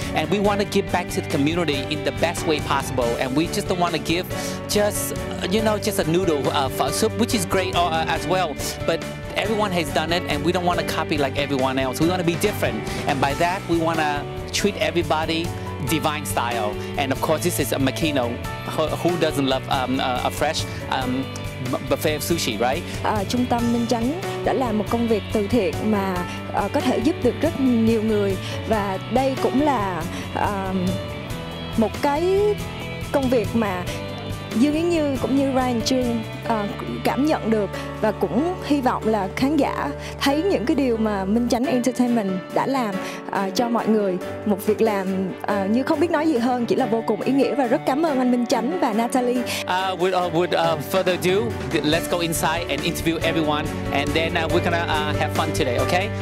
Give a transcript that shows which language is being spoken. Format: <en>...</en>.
<en>And we want to give back to the community in the best way possible. And we just don't want to give just, you know, just a noodle for soup, which is great as well. But everyone has done it, and we don't want to copy like everyone else. We want to be different. And by that, we want to treat everybody divine style. And of course, this is a Makino. Who doesn't love a fresh buffet of sushi, right?</en> <vi>Trung tâm Minh Chánh đã làm một công việc từ thiện mà có thể giúp được rất nhiều người. Và đây cũng là một cái công việc mà Dương Yến Như cũng như Ryan Trương cảm nhận được, và cũng hy vọng là khán giả thấy những cái điều mà Minh Chánh Entertainment đã làm cho mọi người, một việc làm như không biết nói gì hơn, chỉ là vô cùng ý nghĩa. Và rất cảm ơn anh Minh Chánh và Natalie.</vi> <en>Without further ado, let's go inside and interview everyone, and then we're gonna have fun today, okay?</en>